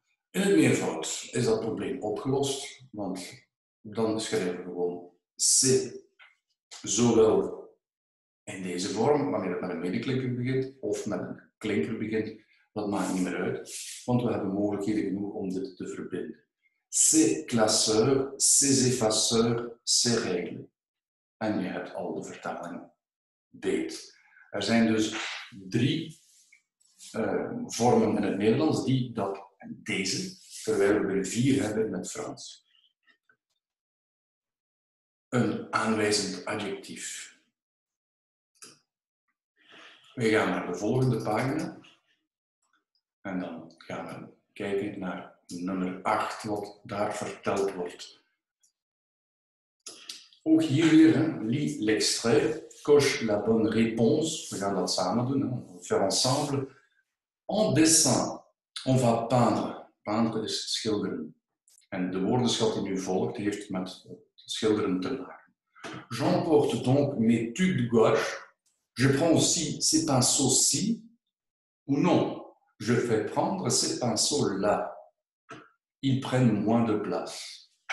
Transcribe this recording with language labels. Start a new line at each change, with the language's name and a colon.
Dutch: In het meervoud is dat probleem opgelost, want... Dan schrijven we gewoon C, zowel in deze vorm, wanneer het met een medeklinker begint, of met een klinker begint, dat maakt niet meer uit, want we hebben mogelijkheden genoeg om dit te verbinden.
French: C, classeur, C, effaceur, C, règle.
Dutch: En je hebt al de vertalingen beet. Er zijn dus drie vormen in het Nederlands, die, dat en deze, terwijl we er vier hebben met Frans. Een aanwijzend adjectief. We gaan naar de volgende pagina. En dan gaan we kijken naar nummer 8, wat daar verteld wordt. Ook hier weer,
French: hein, lis l'extrait, coche la bonne réponse.
Dutch: We gaan dat samen doen,
French: hein, faire ensemble. En dessin, on va peindre.
Dutch: Peindre is schilderen. En de woordenschat die nu volgt, heeft met schilderen te maken.
French: J'emporte donc mes tubes de gouache. Je prends aussi ces pinceaux-ci. Ou non, je fais prendre ces pinceaux-là. Ils prennent moins de place.